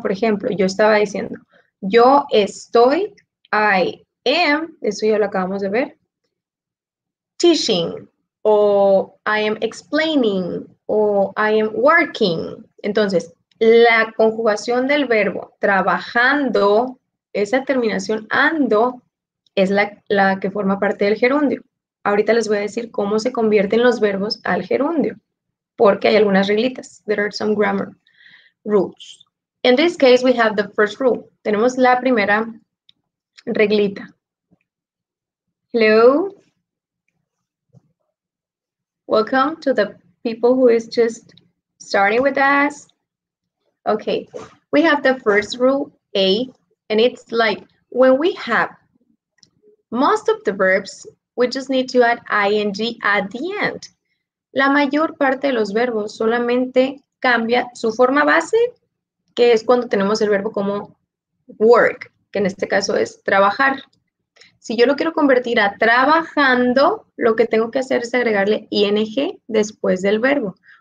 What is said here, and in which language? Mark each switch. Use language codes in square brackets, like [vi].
[es] Por ejemplo, yo estaba diciendo, yo estoy, [en] I am, [es] eso ya lo acabamos de ver, teaching, o [en] I am explaining, [es] o [en] I am working. [es] Entonces, la conjugación del verbo trabajando, esa terminación ando, es la que forma parte del gerundio. Ahorita les voy a decir cómo se convierten los verbos al gerundio, porque hay algunas reglitas. [en] There are some grammar rules. In this case, we have the first rule. [es] Tenemos la primera reglita. [en] Hello. Welcome to the people who is just starting with us. Okay, we have the first rule, A, and it's like when we have most of the verbs, we just need to add ing at the end. [es] La mayor parte de los verbos solamente cambia su forma base, que es cuando tenemos el verbo como work, que en este caso es trabajar. Si yo lo quiero convertir a trabajando, lo que tengo que hacer es agregarle ing después del verbo.